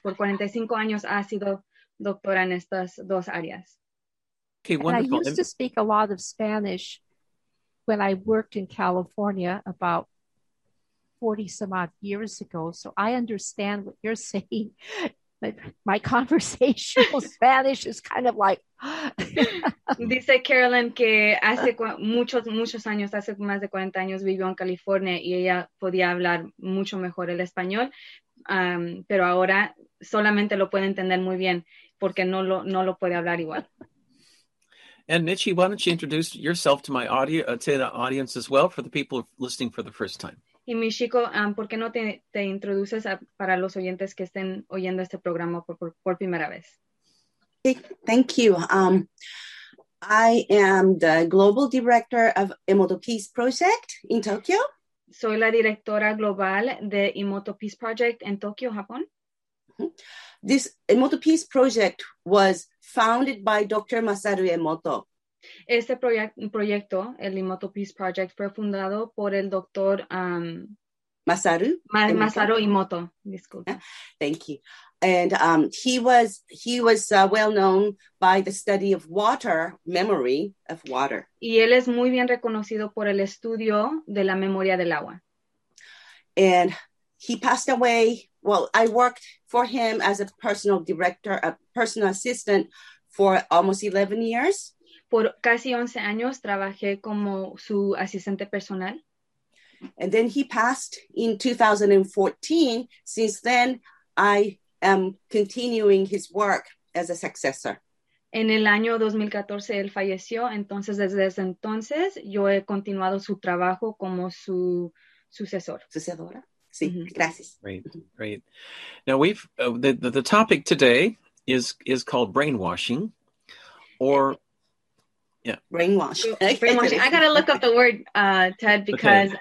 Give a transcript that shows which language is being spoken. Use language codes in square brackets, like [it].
[es] Por 45 años ha sido doctora en estas dos áreas. [en] Okay, wonderful. And I used to speak a lot of Spanish when I worked in California about 40 some odd years ago. So I understand what you're saying. My conversational Spanish is kind of like. [es] Dice Carolyn que hace muchos, muchos años, hace más de 40 años vivió en California y ella podía hablar mucho mejor el español, pero ahora solamente lo puede entender muy bien porque no lo puede hablar igual. [en] And Nietzsche, why don't you introduce yourself to my to the audience as well, for the people listening for the first time. [es] Y mi chico, ¿por qué no te introduces para los oyentes que estén oyendo este programa por primera vez? [en] Thank you. I am the global director of Emoto Peace Project in Tokyo. [es] Soy la directora global de Emoto Peace Project en Tokyo, Japón. [en] This Emoto Peace Project was founded by Dr. Masaru Emoto. [es] Este proyecto, el Emoto Peace Project, fue fundado por el doctor Masaru Emoto. Disculpa. [en] Thank you. And he was well known by the study of water, memory of water. [es] Y él es muy bien reconocido por el estudio de la memoria del agua. [en] And he passed away. Well, I worked for him as a personal director, a personal assistant for almost 11 years. [es] Por casi 11 años trabajé como su asistente personal. [en] And then he passed in 2014. Since then, I am continuing his work as a successor. [es] En el año 2014, él falleció. Entonces, desde ese entonces, yo he continuado su trabajo como su sucesor. Sucedora. Sí, gracias. [en] Great. Now, the topic today is called brainwashing, or... Yeah. Brainwash. I got to look up the word, Ted, because okay.